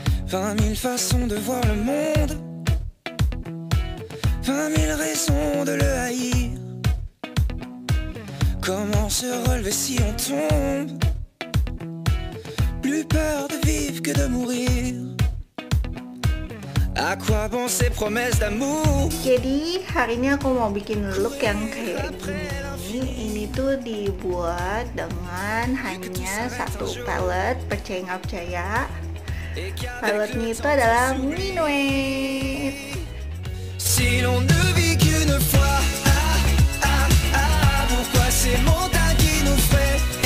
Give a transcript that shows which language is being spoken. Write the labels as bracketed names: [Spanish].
[French] 20 000 façons de voir le monde, 20 000 raisons de le haïr. Comment se relever si on tombe? Plus peur de vivre que de mourir. À quoi bon ces promesses d'amour? [Indonesian] Jadi hari ini aku mau bikin look yang kayak gini. Ini tuh dibuat dengan hanya satu palette, percaya nggak percaya. Palette ini tuh adalah Minuet. [French] Si l'on ne vit qu'une fois, pourquoi ces montagnes qui nous fait.